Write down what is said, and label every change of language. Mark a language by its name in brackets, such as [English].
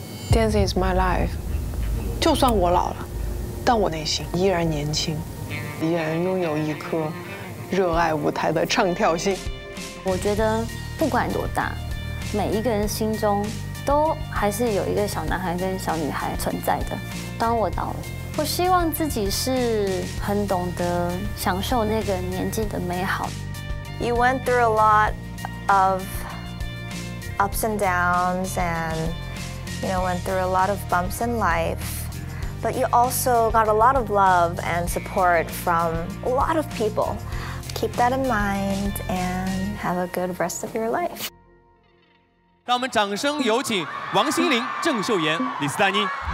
[English] Dance is my life， [Chinese] 就算我老了，但我内心依然年轻，依然拥有一颗热爱舞台的唱跳心。我觉得不管多大，每一个人心中都还是有一个小男孩跟小女孩存在的。当我老了，我希望自己是很懂得享受那个年纪的美好。 [English] You went through a lot of ups and downs, and you know, went through a lot of bumps in life. But you also got a lot of love and support from a lot of people. Keep that in mind and have a good rest of your life. [Chinese] 让我们掌声有请王心凌、郑秀妍、李斯丹妮。